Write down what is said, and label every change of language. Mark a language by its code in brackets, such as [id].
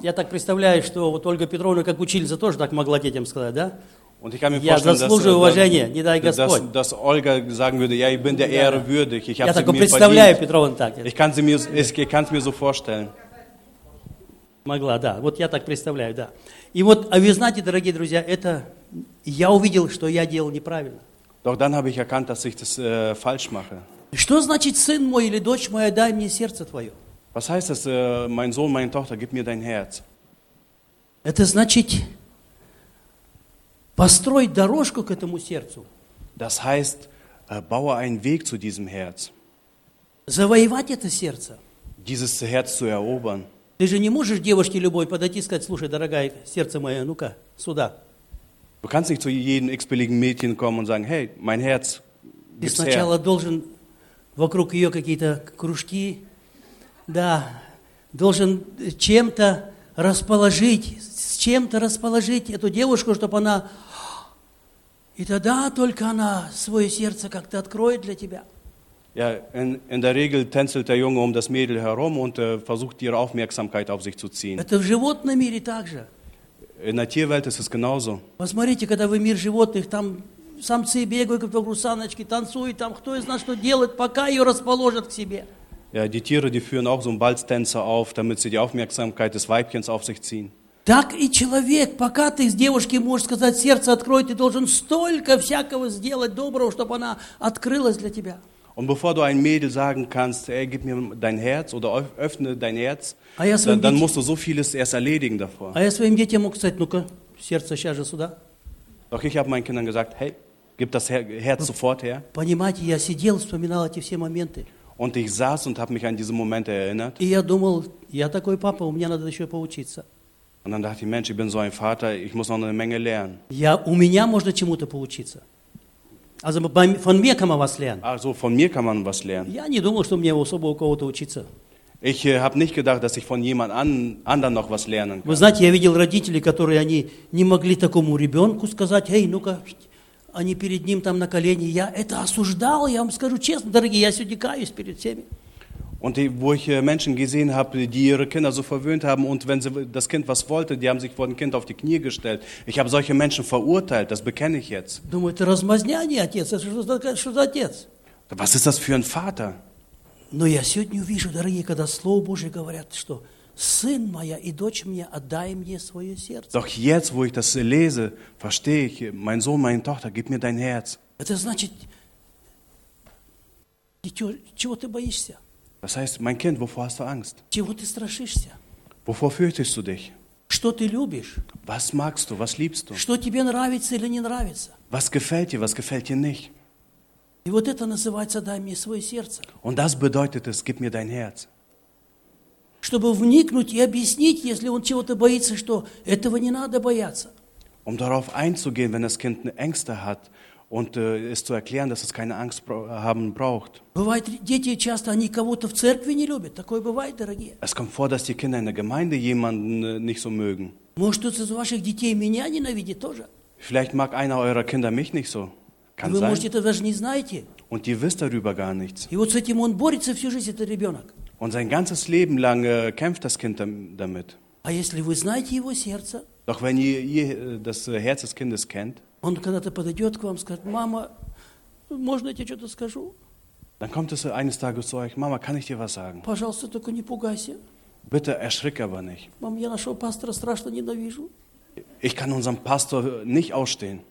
[ru] Я так представляю, что вот Ольга Петровна, как учительница, тоже так могла детям сказать, да? [de] Und ich kann mir [ru] я заслуживаю уважения, не дай Господь. [de] Dass Ольга sagen würde, ja, ich bin der ehrwürdig. [ru] Я так представляю Петровну так. [de] Ich kann es mir so vorstellen. [ru] Могла, да. Вот я так представляю, да. И вот, а вы знаете, дорогие друзья, это я увидел, что я делал неправильно. [de] Doch dann habe ich erkannt, dass ich das falsch mache. [ru] Что значит, сын мой или дочь моя, дай мне сердце твое? [de] Was heißt das, mein Sohn, meine Tochter, gib mir dein Herz? [ru] Это значит построить дорожку к этому сердцу. [de] Das heißt, baue einen Weg zu diesem Herz. [ru] Завоевать это сердце. [de] Dieses Herz zu erobern. [ru] Ты же не можешь девушке любой подойти и сказать, слушай, дорогая, сердце мое, ну-ка, сюда. [de] Du kannst nicht zu jedem x-beliebigen Mädchen kommen und sagen, hey, mein Herz, gib's her. [ru] Ты сначала должен вокруг ее какие-то кружки, да, должен чем-то расположить, эту девушку, чтобы она... И тогда только она свое сердце как-то откроет для тебя. [de] Ja, in der Regel tänzelt der Junge um das Mädel herum und versucht ihre Aufmerksamkeit auf sich zu ziehen. [ru] Это в животном мире также. [de] In der Tierwelt ist es genauso. [ru] Посмотрите, когда вы мир животных, там самцы бегают, как русаночки, танцуют, там кто из нас что делает, пока ее расположат к себе. [de] Ja, die Tiere, die führen auch so einen Balztänzer auf, damit sie die Aufmerksamkeit des Weibchens auf sich ziehen. [ru] Так и человек, пока ты с девушкой можешь сказать, сердце открой, ты должен столько всякого сделать доброго, чтобы она открылась для тебя. [de] Und bevor du einem Mädel sagen kannst, hey, gib mir dein Herz oder öffne dein Herz, dann musst du so vieles erst erledigen davor. [ru] А я своим детям мог сказать, ну-ка, сердце сейчас же сюда. [de] Doch ich habe meinen Kindern gesagt, hey, gib das Herz sofort her. [ru] Понимаете, я сидел, вспоминал эти все моменты. [de] Und ich saß und habe mich an diese Momente erinnert. [ru] И я думал, я такой папа, у меня надо еще поучиться. [de] Und dann dachte ich, Mensch, ich bin so ein Vater, ich muss noch eine Menge lernen. [ru] Ja, у меня можно чему-то поучиться. [de] Also von mir kann man was lernen. Also von mir kann man was lernen. [ru] Я не думал, что мне особо у кого-то учиться. [de] Ich habe nicht gedacht, dass ich von jemand anderen noch was lernen kann. [ru] Вы знаете, я видел родителей, которые они не могли такому ребенку сказать, hey, ну-ка, они перед ним там на колени. Я это осуждал, я вам скажу честно, дорогие, я сегодня каюсь перед всеми. [de] Und wo ich Menschen gesehen habe, die ihre Kinder so verwöhnt haben und wenn sie das Kind was wollte, die haben sich vor dem Kind auf die Knie gestellt. Ich habe solche Menschen verurteilt, das bekenne ich jetzt. [ru] Думаю, это размазня, не отец, что за отец? [de] Was ist das für ein Vater? [ru] Но я сегодня вижу, дорогие, когда Слово Божие говорят, что сын моя и дочь мне, отдай мне свое сердце. [de] Doch jetzt, wo ich das lese, verstehe ich, mein Sohn, meine Tochter, gib mir dein Herz. [ru] Это значит, чего ты боишься? [de] Das heißt, mein Kind, wovor hast du Angst? [ru] Чего ты страшишься? [de] Wovor fürchtest du dich? [ru] Что ты любишь? [de] Was magst du? Was liebst du? [ru] Что тебе нравится или не нравится? [de] Was gefällt dir? Was gefällt dir nicht? [ru] И вот это называется «дай мне свое сердце». [de] Und das bedeutet es, gib mir dein Herz. [ru] Чтобы вникнуть и объяснить, если он чего-то боится, что этого не надо бояться. [de] Um darauf einzugehen, wenn das Kind Ängste hat und es zu erklären, dass es keine Angst haben braucht. [ru] Бывает, дети часто, они кого-то в церкви не любят. Такое бывает, дорогие. [de] Es kommt vor, dass die Kinder in der Gemeinde jemanden nicht so mögen. [ru] Может, кто-то из ваших детей меня ненавидит тоже. [de] Vielleicht mag einer eurer Kinder mich nicht so. Kann [ru] вы [de] sein. [ru] Можете это даже не знаете. [de] Und ihr wisst darüber gar nichts. [ru] И вот с этим он борется всю жизнь, этот ребенок. [de] Und sein ganzes Leben lang kämpft das Kind damit. [ru] А если вы знаете его сердце? [de] Doch wenn ihr das Herz des Kindes kennt, [ru] он когда-то подойдет к вам и скажет, мама, можно я тебе что-то скажу? [de] Dann kommt es eines Tages zu euch, Mama, kann ich dir was sagen? [ru] Пожалуйста, только не пугайся. [de] Bitte erschrick aber nicht. [ru] Мам, я нашего пастора страшно ненавижу. [de] Ich kann unseren Pastor nicht ausstehen.